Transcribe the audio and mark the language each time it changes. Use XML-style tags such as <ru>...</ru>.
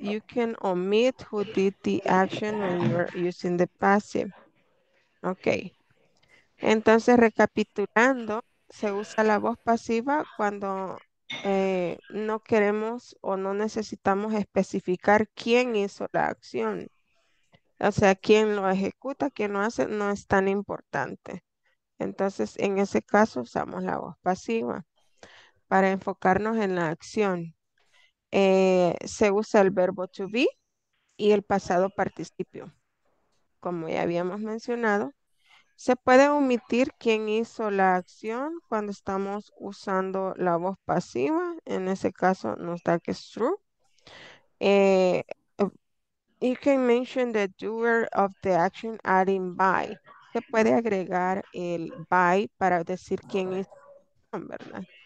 <en>You can omit who did the action when you're using the passive. Okay.</en> <es>Entonces, recapitulando, se usa la voz pasiva cuando no queremos o no necesitamos especificar quién hizo la acción. O sea, quién lo ejecuta, quién lo hace, no es tan importante. Entonces, en ese caso, usamos la voz pasiva para enfocarnos en la acción. Se usa el verbo to be y el pasado participio. Como ya habíamos mencionado, se puede omitir quién hizo la acción cuando estamos usando la voz pasiva. En ese caso, nos da que es true.</es> <en>You can mention the doer of the action adding by.</en> <es>Se puede agregar el by para decir quién hizo, ¿verdad?</es>